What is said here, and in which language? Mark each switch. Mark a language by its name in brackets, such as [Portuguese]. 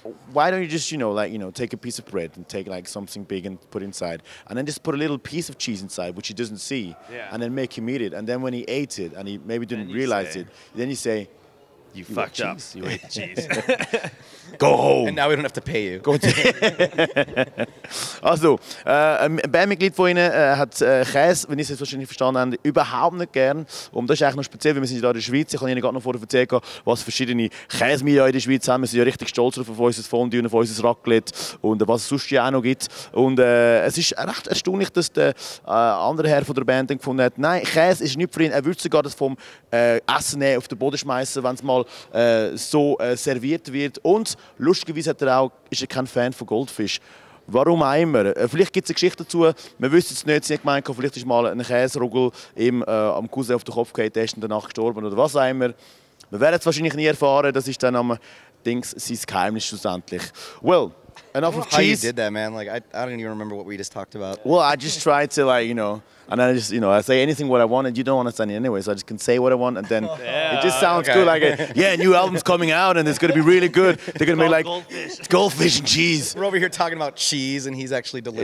[English] Why don't you just, you know, like, you know, take a piece of bread and take like something big and put inside, and then just put a little piece of cheese inside, which he doesn't see, yeah. And then make him eat it. And then when he ate it and he maybe didn't realize it, then you say, you fucked up. You ate the cheese. Go home. And now we don't have to pay you. Go to [German] also, ein Bandmitglied von Ihnen hat Käse, wenn ich es wahrscheinlich verstanden habe, überhaupt nicht gern. Und das ist eigentlich noch speziell, weil wir sind hier in der Schweiz. Ich habe Ihnen gerade noch vorher erzählt, was verschiedene Käse in der Schweiz haben. Wir sind ja richtig stolz auf unser Fondue und auf unser Raclette und was es sonst ja auch noch gibt. Und es ist recht erstaunlich, dass der andere Herr von der Band dann gefunden hat, nein, Käse ist nicht für ihn. Er würde sogar das vom Essen nehmen, auf den Boden schmeißen, wenn es mal so serviert wird. Und lustigerweise hat er auch, ist er kein Fan von Goldfisch. Warum auch immer? Vielleicht gibt es eine Geschichte dazu. Wir wissen es nicht, sie hat gemeint, vielleicht ist mal ein Käserugel ihm am Cousin auf den Kopf gefallen, erst danach gestorben oder was auch immer. Wir werden es wahrscheinlich nie erfahren. Das ist dann am Dings sein Geheimnis schlussendlich. [English] Well, enough of cheese. How you did that, man? Like, I don't even remember what we just talked about. Well, I just tried to, like, you know, and I just, you know, I say anything what I want, and you don't want to say it anyway, so I just can say what I want, and then it just sounds good, like, a new album's coming out, and it's going to be really good. They're going to be like, goldfish and cheese. We're over here talking about cheese, and he's actually delivering.